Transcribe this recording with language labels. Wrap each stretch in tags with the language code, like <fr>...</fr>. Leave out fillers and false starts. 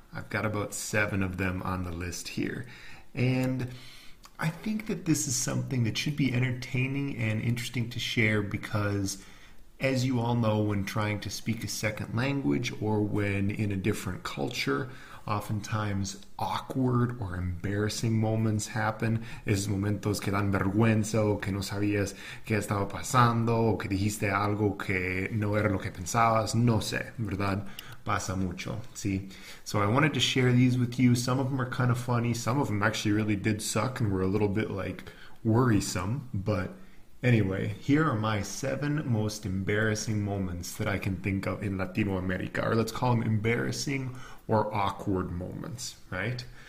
<en>I've got about seven of them on the list here. And I think that this is something that should be entertaining and interesting to share because, as you all know, when trying to speak a second language or when in a different culture, oftentimes awkward or embarrassing moments happen.</en> <es>Esos momentos que dan vergüenza o que no sabías qué estaba pasando o que dijiste algo que no era lo que pensabas. No sé, ¿verdad? Pasa mucho, ¿sí?</es> <en>So I wanted to share these with you. Some of them are kind of funny. Some of them actually really did suck and were a little bit, like, worrisome. But anyway, here are my seven most embarrassing moments that I can think of in Latino America. Or let's call them embarrassing or awkward moments, right?</en>